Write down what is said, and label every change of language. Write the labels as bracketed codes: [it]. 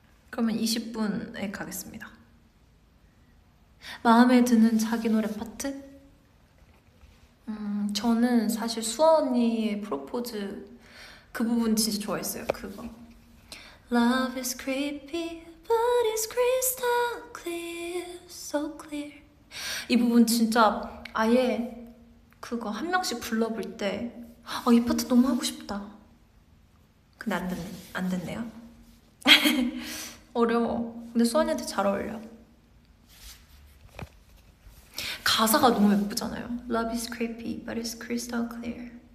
[ko] 그러면 20분에 가겠습니다. 마음에 드는 자기 노래 파트? 저는 사실 수아언니의 프로포즈 그 부분 진짜 좋아했어요. 그거. [en] Love is creepy, but it's crystal clear, so clear. [ko] 이 부분 진짜 아예 그거 한 명씩 불러볼 때, 아, 이 파트 너무 하고 싶다. 근데 안 됐네요. 어려워. 근데 수원이한테 잘 어울려. 가사가 너무 예쁘잖아요. [en] Love is creepy, but it's crystal clear.